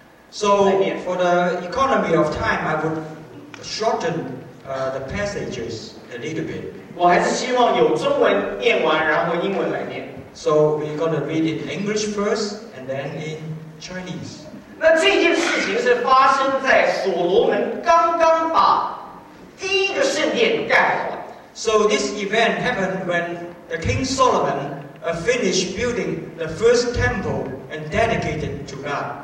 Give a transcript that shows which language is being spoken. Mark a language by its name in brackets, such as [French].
[English] So for the economy of time, I would shorten the passages a little bit. [Chinese] 我还是希望有中文念完，然后英文来念。 [English] So we're going to read in English first, and then in Chinese. [Chinese] 那这件事情是发生在所罗门刚刚把第一个圣殿盖好。 [English] So this event happened when the King Solomon finished building the first temple and dedicated to God.